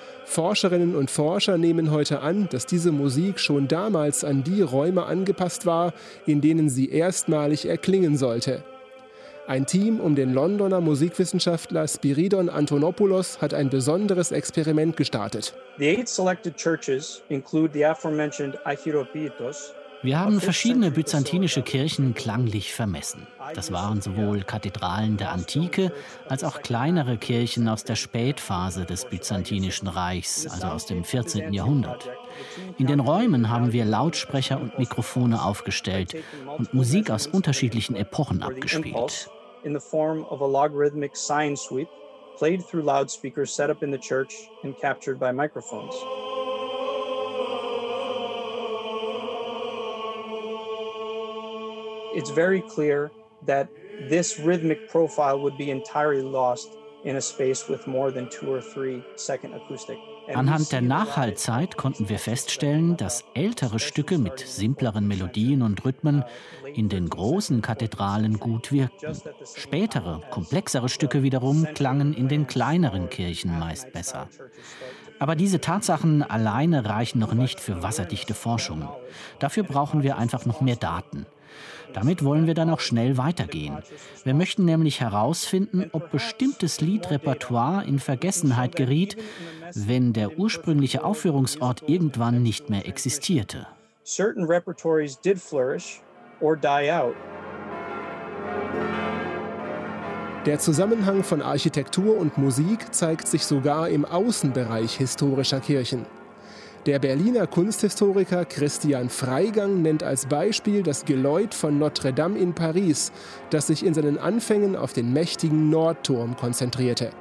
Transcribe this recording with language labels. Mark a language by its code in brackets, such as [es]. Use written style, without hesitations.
[de] Forscherinnen und Forscher nehmen heute an, dass diese Musik schon damals an die Räume angepasst war, in denen sie erstmalig erklingen sollte. Ein Team um den Londoner Musikwissenschaftler Spiridon Antonopoulos hat ein besonderes Experiment gestartet. [en] The 8 selected churches include the aforementioned Achiropietos. [de] Wir haben verschiedene byzantinische Kirchen klanglich vermessen. Das waren sowohl Kathedralen der Antike als auch kleinere Kirchen aus der Spätphase des Byzantinischen Reichs, also aus dem 14. Jahrhundert. In den Räumen haben wir Lautsprecher und Mikrofone aufgestellt und Musik aus unterschiedlichen Epochen abgespielt. [en] In the form of a logarithmic sine sweep, played through loudspeakers set up in the church and captured by microphones. It's very clear that this rhythmic profile would be entirely lost in a space with more than two or three second acoustic [de] Anhand der Nachhallzeit konnten wir feststellen, dass ältere Stücke mit simpleren Melodien und Rhythmen in den großen Kathedralen gut wirkten. Spätere, komplexere Stücke wiederum klangen in den kleineren Kirchen meist besser. Aber diese Tatsachen alleine reichen noch nicht für wasserdichte Forschungen. Dafür brauchen wir einfach noch mehr Daten. Damit wollen wir dann auch schnell weitergehen. Wir möchten nämlich herausfinden, ob bestimmtes Liedrepertoire in Vergessenheit geriet, wenn der ursprüngliche Aufführungsort irgendwann nicht mehr existierte. [en] Certain repertories did flourish or die out. [de] Der Zusammenhang von Architektur und Musik zeigt sich sogar im Außenbereich historischer Kirchen. Der Berliner Kunsthistoriker Christian Freigang nennt als Beispiel das Geläut von Notre-Dame in Paris, das sich in seinen Anfängen auf den mächtigen Nordturm konzentrierte.